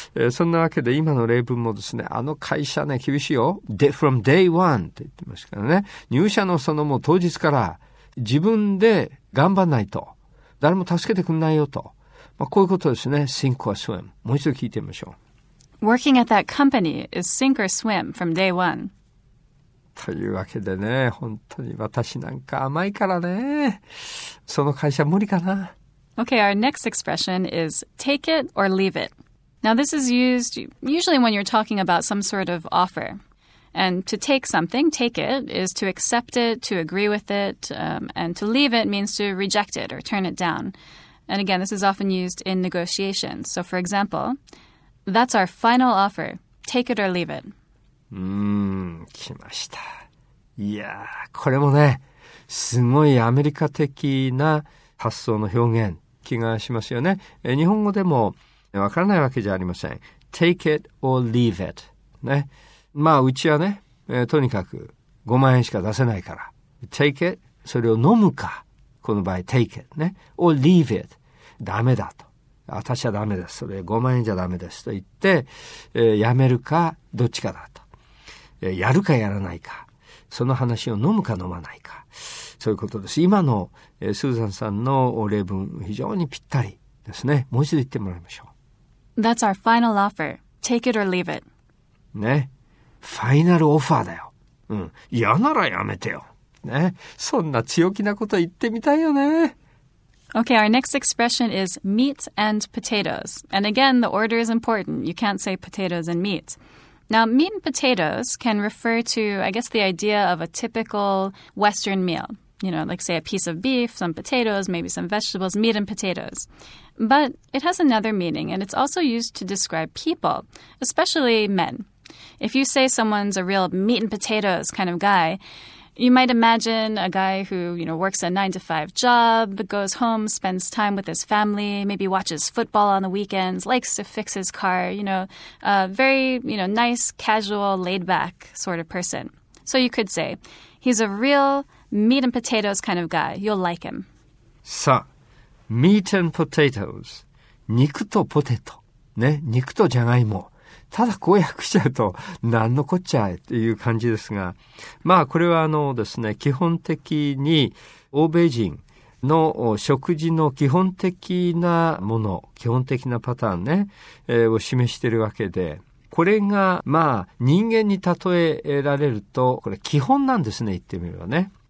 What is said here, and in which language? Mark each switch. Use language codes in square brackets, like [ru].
[ja] そんなわけで今の例文もですね、あの会社ね、厳しいよ。 [en] from day one [ja] って言ってますからね、入社のそのもう当日から自分で頑張んないと。誰も助けてくんないよと。まあ、こういうことですね。 [en] Sink or swim。 [ja] もう一度聞いてみましょう。 [en] Working at that company is sink or swim from day one. [ja] というわけでね、本当に私なんか甘いからね。その会社無理かな。 [en] Okay, our next expression is take it or leave it. Now this is used usually when you're talking about some sort of offer. And to take something, take it, is to accept it, to agree with it, and to leave it means to reject it or turn it down. And again, this is often used in negotiations. So for example, that's our final offer. Take it or leave it. [ja] きました。いやー、これもね、すごいアメリカ的な発想の表現、気がしますよね。日本語でもわからないわけじゃありません。 [en] take it or leave it. ね。 [ja] まあ、うちはね、とにかく5万円しか出せないから。 [en] take it, [ja] それを飲むか。この場合、take it ね。 [en] or leave it. [ja] ダメだと。私はダメです。それ5万円じゃダメです。と言って、やめるか、どっちかだと。やるかやらないか。その話を飲むか飲まないか。そういうことです。今の、スーザンさんのお例文、非常にぴったりですね。もう一度言ってもらいましょう。 [en] That's our final offer. Take it or leave it. [ja] ね。ファイナルオファーだよ。うん。嫌ならやめてよ。ね。そんな強気なこと言ってみたいよね。 [en] Okay, our next expression is meat and potatoes. And again, the order is important. You can't say potatoes and meat. Now, meat and potatoes can refer to, I guess, the idea of a typical Western meal. You know, like say a piece of beef, some potatoes, maybe some vegetables, meat and potatoes. But it has another meaning, and it's also used to describe people, especially men. If you say someone's a real meat and potatoes kind of guy, you might imagine a guy who, you know, works a 9-to-5 job, goes home, spends time with his family, maybe watches football on the weekends, likes to fix his car, you know, a very, you know, nice, casual, laid-back sort of person. So you could say, he's a real meat and potatoes kind of guy. You'll like him. さあ、meat and potatoes. [ja] 肉とポテト。ね、肉とじゃがいも。ただこう訳しちゃうと何のこっちゃっていう感じですが、まあこれはあのですね、基本的に欧米人の食事の基本的なもの、基本的なパターンね、を示しているわけで、これがまあ人間に例えられるとこれ基本なんですね、言ってみればね。